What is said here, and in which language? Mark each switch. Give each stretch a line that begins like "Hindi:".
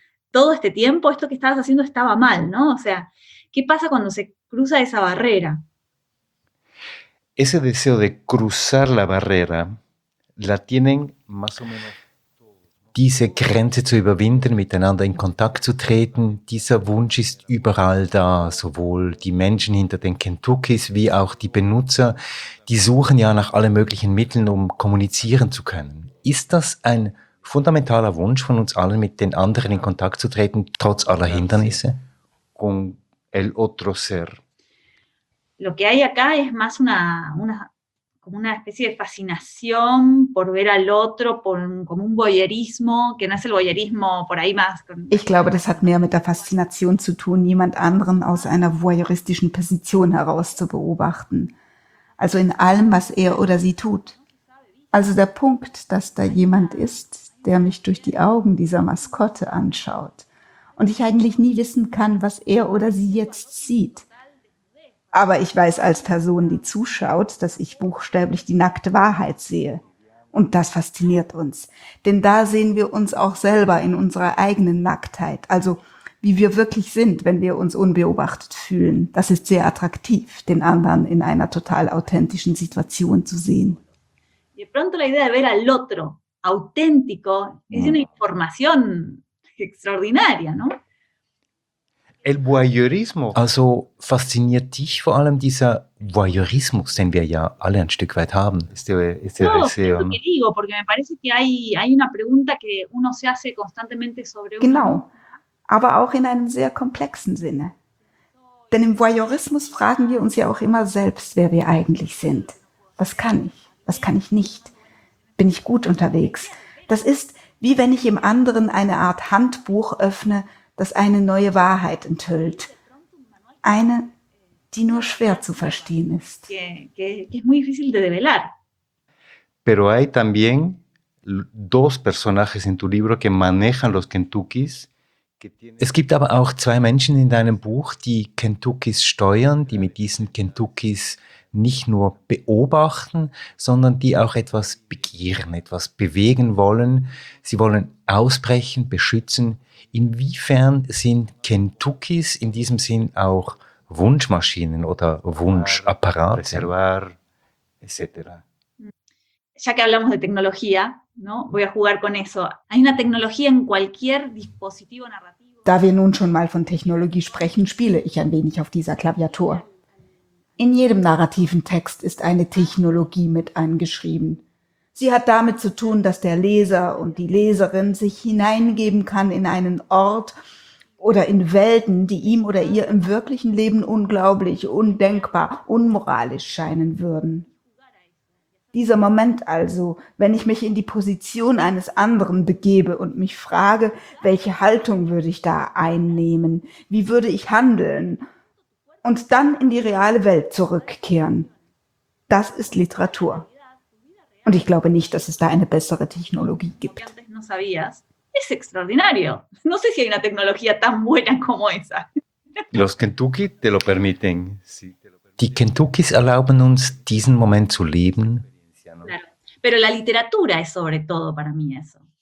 Spanish: Todo este tiempo, esto que estabas haciendo estaba mal, ¿no? O sea, ¿qué pasa cuando se cruza esa barrera? Ese deseo de cruzar la barrera, la tienen más o menos.
German: Diese Grenze zu überwinden, miteinander in Kontakt zu treten, dieser Wunsch ist überall da, sowohl die Menschen hinter den Kentuckys wie auch die Benutzer, die suchen ja nach allen möglichen Mitteln, um kommunizieren zu können. Ist das ein fundamentaler Wunsch von uns allen, mit den anderen in Kontakt zu treten, trotz aller Hindernisse?
Spanish: Con el otro ser. Lo que hay acá es más una especie de fascinación por ver al otro, como un voyeurismo, que no es el voyeurismo por ahí más.
German: Ich glaube, das hat mehr mit der Faszination zu tun, jemand anderen aus einer voyeuristischen Position heraus zu beobachten. Also in allem, was er oder sie tut. Also der Punkt, dass da jemand ist, der mich durch die Augen dieser Maskotte anschaut und ich eigentlich nie wissen kann, was er oder sie jetzt sieht. Aber ich weiß als Person, die zuschaut, dass ich buchstäblich die nackte Wahrheit sehe. Und das fasziniert uns. Denn da sehen wir uns auch selber in unserer eigenen Nacktheit. Also wie wir wirklich sind, wenn wir uns unbeobachtet fühlen. Das ist sehr attraktiv, den anderen in einer total authentischen Situation zu sehen.
Spanish: De pronto la idea de ver al otro auténtico es una información extraordinaria, ¿no? El voyeurismo.
German: Also fasziniert dich vor allem dieser Voyeurismus, den wir ja alle ein Stück weit haben.
Spanish: No, es lo que digo, porque me parece que hay una pregunta que uno se hace constantemente sobre uno.
German: Genau, aber auch in einem sehr komplexen Sinne. Denn im Voyeurismus fragen wir uns ja auch immer selbst, wer wir eigentlich sind. Was kann ich? Was kann ich nicht? Bin ich gut unterwegs? Das ist, wie wenn ich im anderen eine Art Handbuch öffne, das eine neue Wahrheit enthüllt. Eine, die nur schwer zu verstehen ist.
Spanish: Que es muy difícil de develar. Pero hay también dos personajes en tu libro que manejan los Kentuckys.
German: Es gibt aber auch zwei Menschen in deinem Buch, die Kentuckys steuern, die mit diesen Kentuckys nicht nur beobachten, sondern die auch etwas begehren, etwas bewegen wollen. Sie wollen ausbrechen, beschützen. Inwiefern sind Kentuckys in diesem Sinn auch Wunschmaschinen oder Wunschapparate?
Spanish: Reservar, etc. Ya que hablamos de tecnología, ¿no? Voy a jugar con eso. Hay una tecnología en cualquier dispositivo narrativo.
German: Da wir nun schon mal von Technologie sprechen, spiele ich ein wenig auf dieser Klaviatur. In jedem narrativen Text ist eine Technologie mit eingeschrieben. Sie hat damit zu tun, dass der Leser und die Leserin sich hineingeben kann in einen Ort oder in Welten, die ihm oder ihr im wirklichen Leben unglaublich, undenkbar, unmoralisch scheinen würden. Dieser Moment also, wenn ich mich in die Position eines anderen begebe und mich frage, welche Haltung würde ich da einnehmen, wie würde ich handeln und dann in die reale Welt zurückkehren, das ist Literatur. Und ich glaube nicht, dass es da eine bessere Technologie gibt.
Spanish: Es extraordinario. No sé si hay una tecnología tan buena como esa. Los Kentucky te lo permiten.
German: Die Kentuckys erlauben uns, diesen Moment zu leben.
Spanish: Pero la literatura es sobre todo para mí eso.